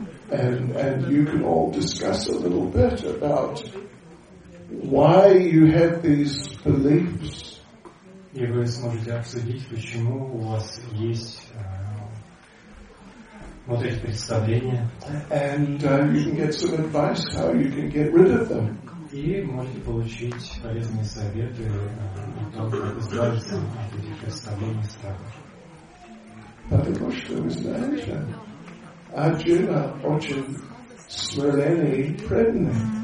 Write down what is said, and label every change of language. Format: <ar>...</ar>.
<en>And you can all discuss a little bit about why you have these beliefs.</en> <ru>И вы сможете обсудить, почему у вас есть вот эти представления.</ru> <en>And you can get some advice how you can get rid of them.</en> <ru>И можете получить полезные советы о том, как избавиться от этих представлений и страхов. Потому что вы знаете, Арджуна очень смиренный и преданный.</ru>